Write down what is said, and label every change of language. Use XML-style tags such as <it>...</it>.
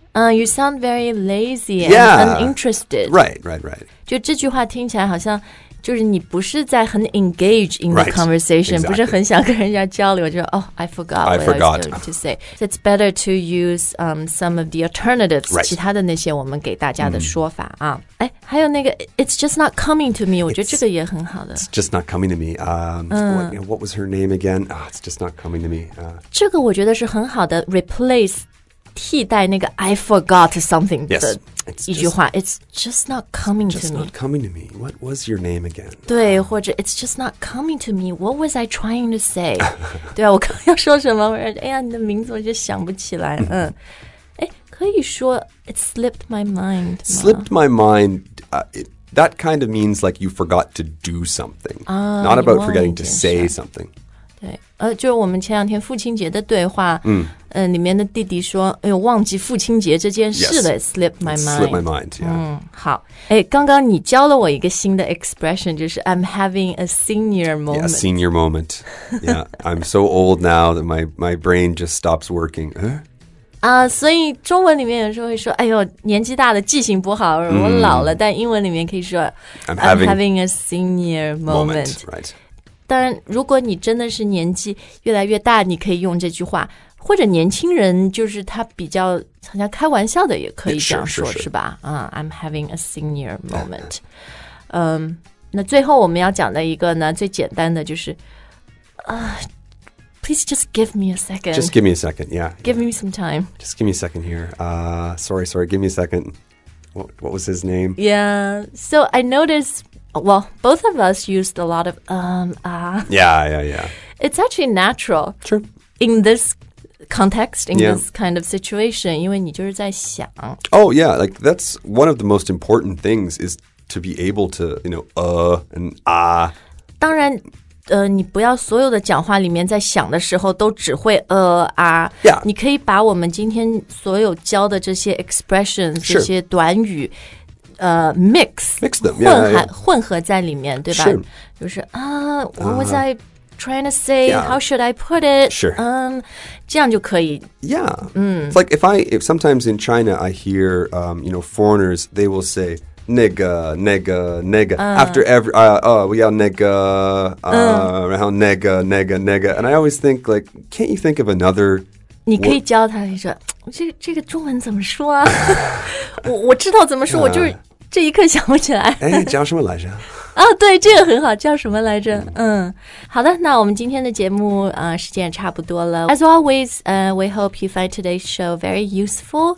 <en>You sound very lazy and uninterested. Right.</en> <zh>就这句话听起来好像就是你不是在很</zh> <en>engage in the conversation, right, exactly.</en> <zh>不是很想跟人家交流，就说</zh> <en>oh, I forgot what I was going to say. So it's better to use some of the alternatives,、 right.</en> <zh>其他的那些我们给大家的说法啊。哎，还有那个</zh> <en>it's just not coming to me,</en> <zh>我觉得这个也很好的。</zh> <en>It's just not coming to me. What was her name again? Oh, it's just not coming to me.</en> <zh>这个我觉得是很好的 replace... 替代那个</zh> <en>I forgot something</en> <zh>的、</zh> <en>yes.</en> <zh>一句话</zh> <en>It's just not coming just to me just not coming to me What was your name again?</en> <zh>对或者</zh> <en>It's just not coming to me What was I trying to say?</en> <zh>对啊我刚要说什么我说哎呀你的名字我就想不起来哎可以说</zh> <en>It slipped my mind Slipped my mind、That kind of means like you forgot to do something、Not about forgetting to say something</en> <zh>对，就是我们前两天父亲节的对话，里面的弟弟说，哎呦，忘记父亲节这件事了、</zh> <en>Yes, slipped my mind.</en> <zh>好，哎，刚刚你教了我一个新的 expression， 就是</zh> <en>I'm having a senior moment. Yeah, senior moment. Yeah, I'm so old now that my brain just stops working.</en> <zh>所以中文里面有时候会说，哎呦，年纪大了记性不好，我老了。但英文里面可以说</zh> <en>I'm having a senior moment. Right.</en> <zh>当然，如果你真的是年纪越来越大，你可以用这句话，或者年轻人就是他比较好像开玩笑的，也可以这样说，</zh> <en>yeah, sure,</en> <zh>是吧？</zh> <en>I'm having a senior moment.</en> <zh>那最后我们要讲的一个呢，最简单的就是</zh> <en>please just give me a second. Just give me a second. Yeah. Give me some time. Just give me a second here. Sorry. Give me a second. What was his name? Yeah. So I noticed. Well, both of us used a lot of, Yeah. It's actually natural. True. In this context, this kind of situation,</en> <zh>因为你就是在想。</zh> <en>Oh, yeah. Like, that's one of the most important things is to be able to, you know, and ah.</en> <zh>当然,你不要所有的讲话里面在想的时候都只会</zh> <en>Yeah.</en> <zh>你可以把我们今天所有教的这些 expressions, 这些短语。</zh> <en>Mix them,</en> <zh>混合在里面，对吧？</zh> <en>Sure. 就是what was I trying to say? Yeah. How should I put it? Sure.</en> <zh>这样就可以。</zh> <en>Yeah. It's like if sometimes in China I hear, you know, foreigners, they will say, nega, after every, we got nega, around nega, and I always think, like, can't you think of another...</en> <zh>你可以教他你说这个中文怎么说啊我知道怎么说、我就是这一刻想不起来。哎叫什么来着啊对这个很好叫什么来着好的那我们今天的节目时间也差不多了。</zh> <en>As always, we hope you find today's show very useful.</en>